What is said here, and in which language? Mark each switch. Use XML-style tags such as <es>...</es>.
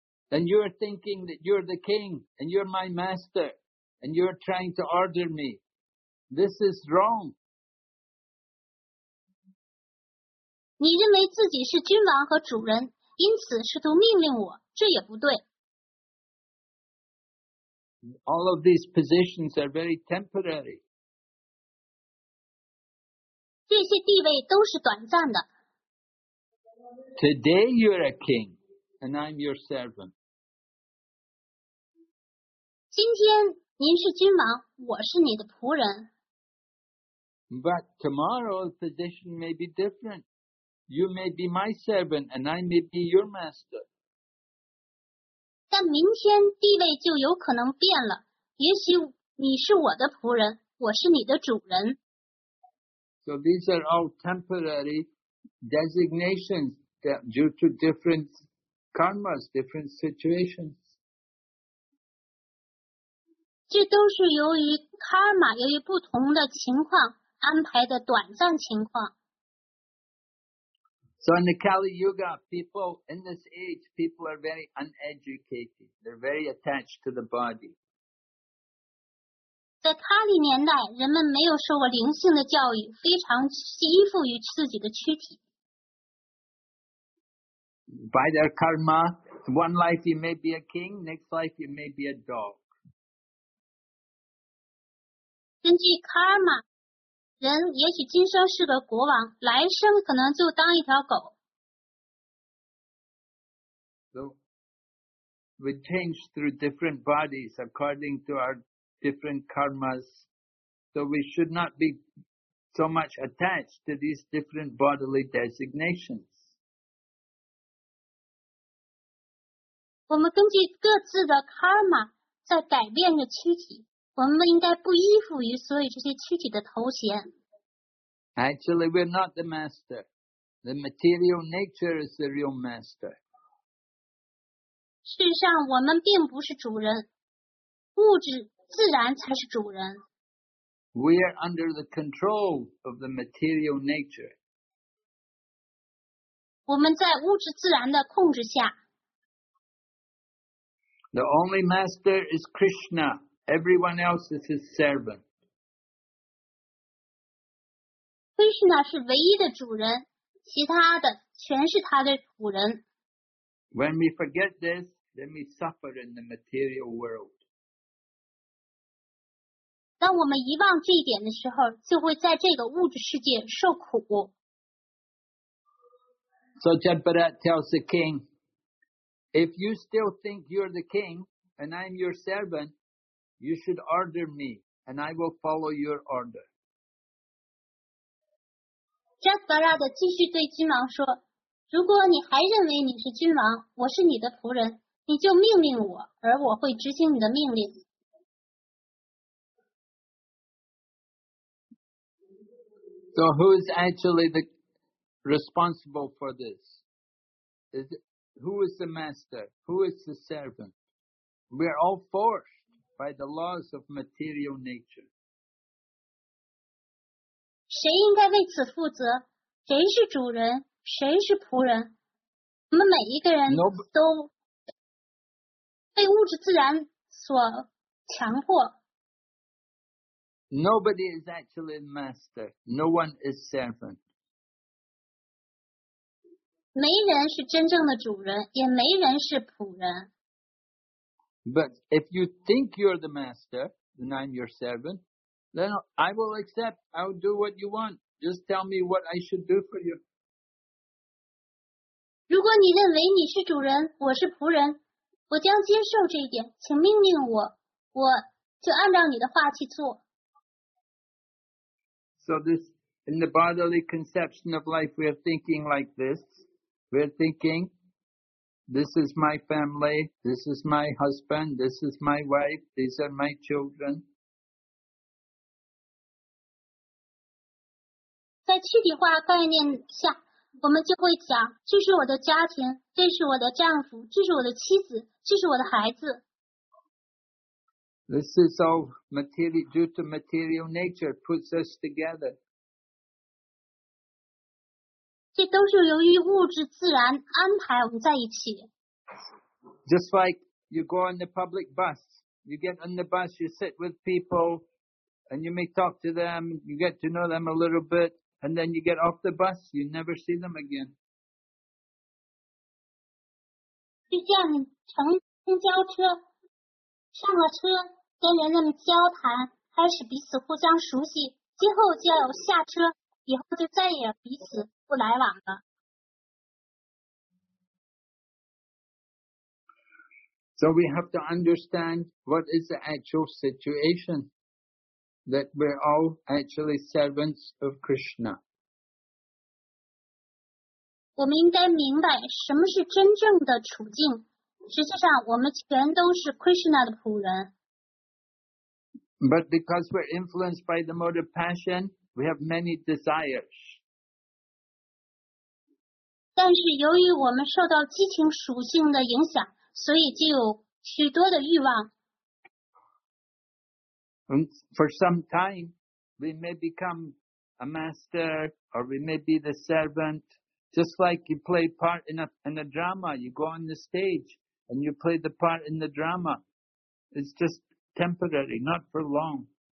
<en>And you're thinking that you're the king and you're my master and you're trying to order me. This is wrong.</en> <zh>你认为自己是君王和主人，因此试图命令我，这也不对。</zh> <en>All of these positions are very temporary.</en> <zh>这些地位都是短暂的。</zh> <en>Today you're a king, and I'm your servant.</en> <zh>今天您是君王，我是你的仆人。</zh> <en>But tomorrow the position may be different. You may be my servant, and I may be your master.</en> <zh>但明天地位就有可能变了，也许你是我的仆人，我是你的主人。</zh> <en>So these are all temporary designations. Due to different karmas, different situations.</en> <zh>这都是由于卡尔玛由于不同的情况安排的短暂情况。</zh> <en>So in the Kali Yuga, people in this age, people are very uneducated. They're very attached to the body.</en> <zh>在卡里年代，人们没有受过灵性的教育，非常依附于自己的躯体。</zh> <en>By their karma, one life you may be a king, next life you may be a dog.</en> <zh>根据卡尔玛。人也许今生是个国王，来生可能就当一条狗。</zh> <en>So, we change through different bodies according to our different karmas. So we should not be so much attached to these different bodily designations.</en> <zh>我们根据各自的 karma 在改变着躯体，我们应该不依附于所有这些躯体的头衔。</zh> <en>Actually, we're not the master. The material nature is the real master.</en> <zh>事实上，我们并不是主人，物质自然才是主人。</zh> <en>We are under the control of the material nature.</en> <zh>我们在物质自然的控制下。</zh> <en>The only master is Krishna. Everyone else is his servant.</en> <zh>Krishna 是唯一的主人，其他的全是他的仆人。</zh> <en>When we forget this, then we suffer in the material world.</en> <zh>当我们遗忘这一点的时候，就会在这个物质世界受苦。</zh> <en>So Jadbarat tells the king, if you still think you're the king and I'm your servant, you should order me and I will follow your order.</en> <zh>Jadbarat 继续对君王说，如果你还认为你是君王，我是你的仆人，你就命令我，而我会执行你的命令。</zh> <en>So who is actually the responsible for this? Who is the master? Who is the servant? We are all forced by the laws of material nature.</en> <zh>谁应该为此负责？谁是主人？谁是仆人？我们每一个人都被物质自然所强迫。</zh> <en>Nobody is actually the master. No one is servant.</en> <zh>没人是真正的主人，也没人是仆人。</zh> <en>But if you think you're the master, then I'm your servant. Then I will accept. I'll do what you want. Just tell me what I should do for you.</en> <zh>如果你认为你是主人，我是仆人，我将接受这一点。请命令我，我就按照你的话去做。</zh> <en>So this, in the bodily conception of life, we are thinking like this. We are thinking, this is my family, this is my husband, this is my wife, these are my children.</en> <zh>在躯体化概念下，我们就会讲，这是我的家庭，这是我的丈夫，这是我的妻子，这是我的孩子。</zh> <en>This is all material, due to material nature puts us together.</en> <zh>这都是由于物质自然安排我们在一起。</zh> <en>Just like you go on the public bus, you get on the bus, you sit with people, and you may talk to them, you get to know them a little bit. And then you get off the bus, you never see them again.</en> <zh>就像你乘公交车，上了车，跟人们交谈，开始彼此互相熟悉，今后就要下车，以后就再也彼此不来往了。</zh> <en>So we have to understand what is the actual situation. That we're all actually servants of Krishna.</en> <zh>我们应该明白什么是真正的处境。实际上，我们全都是 Krishna 的仆人。</zh> <en>But because we're influenced by the motive passion, we have many desires.</en> <zh>但是由于我们受到激情属性的影响，所以就有许多的欲望。</zh> <en>And for some time, we may become a master or we may be the servant. Just like you play part in a drama, you go on the stage and you play the part in the drama. It's just temporary, not for long.</en>